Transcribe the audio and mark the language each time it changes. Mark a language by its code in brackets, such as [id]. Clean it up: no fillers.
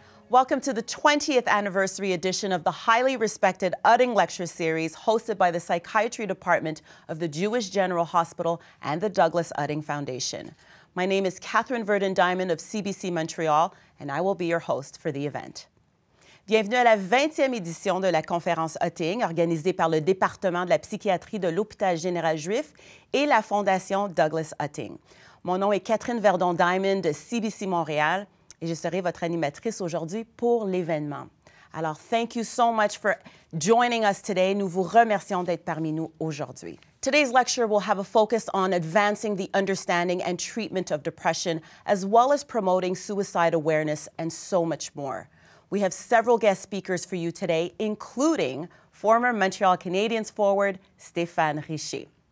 [en] Welcome to the 20th anniversary edition of the highly respected Utting Lecture Series hosted by the Psychiatry Department of the Jewish General Hospital and the Douglas Utting Foundation. My name is Catherine Verdon-Diamond of CBC Montreal, and I will be your host for the event. [fr] Bienvenue à la 20e édition de la Conférence Utting, organisée par le Département de la psychiatrie de l'Hôpital Général Juif et la Fondation Douglas Utting. Mon nom est Catherine Verdon-Diamond de CBC Montréal, et je serai votre animatrice aujourd'hui pour l'événement. Alors, [en] thank you so much for joining us today. [fr] Nous vous remercions d'être parmi nous aujourd'hui. [en] Today's lecture will have a focus on advancing the understanding and treatment of depression, as well as promoting suicide awareness and so much more. We have several guest speakers for you today, including former Montreal Canadiens forward, Stéphane Richer.